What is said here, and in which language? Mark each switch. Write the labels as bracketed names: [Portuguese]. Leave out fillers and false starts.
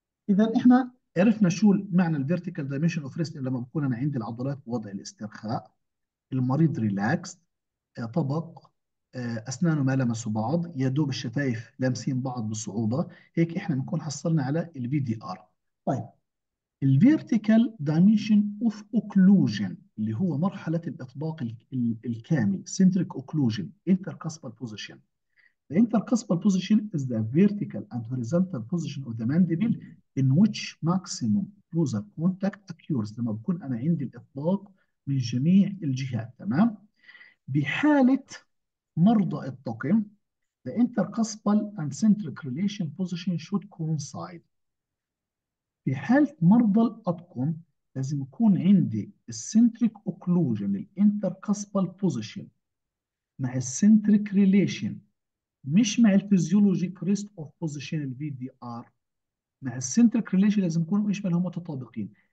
[Arabic] اذا احنا عرفنا شو معنى الفيرتيكال دايمنشن اوف ريست، لما بكون انا عندي العضلات بوضع الاسترخاء، المريض ريلاكس، طبق اسنانه ما لمسوا بعض، يا دوب الشفايف لامسين بعض بصعوبه، هيك احنا بنكون حصلنا على الفي دي ار. طيب الفيرتيكال دايمنشن اوف اوكلوجن اللي هو مرحله الاطباق الكامل، سنتريك اوكلوجن، انتر كاسبال بوزيشن. [English] The intercuspal position is the vertical and horizontal position of the mandible in which maximum closer contact occurs. [Arabic] لما بكون أنا عندي الإطباق من جميع الجهات، تمام؟ بحالة مرضى الطقم [English] the intercuspal and centric relation position should coincide. [Arabic] في حالة مرضى الأطقم لازم يكون عندي السنتريك أوكلوجن الانتركاسبال بوزيشن مع السنتريك ريليشن، مش مع الفيزيولوجيك ريست اوف بوزيشن الفي دي ار، مع السنتريك ريليشن لازم يكونوا ايش مالهم متطابقين.